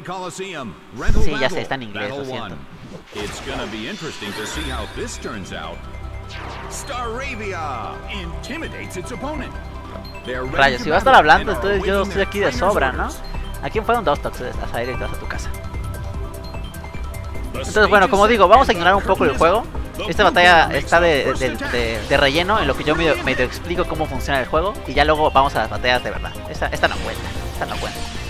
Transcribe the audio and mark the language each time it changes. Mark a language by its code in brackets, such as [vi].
[es] Sí, ya sé, está en inglés, lo siento. [en] It's gonna be interesting to see how this turns out. Staravia intimidates its opponent. [es] Rayos, si va a estar hablando, entonces yo estoy aquí de sobra, ¿no? ¿A quién fueron dos toques a salir y vas a tu casa? Entonces, bueno, como digo, vamos a ignorar un poco el juego. Esta batalla está de relleno en lo que yo medio explico cómo funciona el juego. Y ya luego vamos a las batallas de verdad. Esta no cuenta.